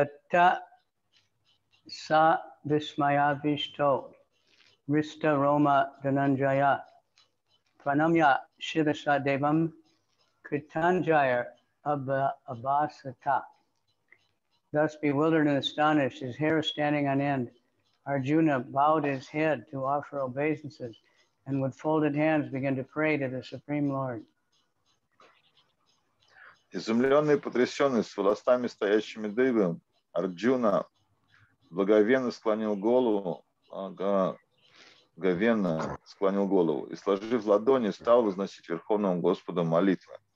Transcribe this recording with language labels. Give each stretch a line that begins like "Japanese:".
Sanskrit: Татта са висмая вишто риста рома дананджая пранамья шираса девам кританджая абасата.
English: Thus bewildered and astonished, his hair standing on end, Arjuna bowed his head to offer obeisances and with folded hands began to pray to the Supreme Lord.
Russian: Изумленный и потрясенный, с волосами стоящими дыбом, Арджуна благовенно склонил голову и, сложив ладони, стал возносить Верховному Господу молитвы.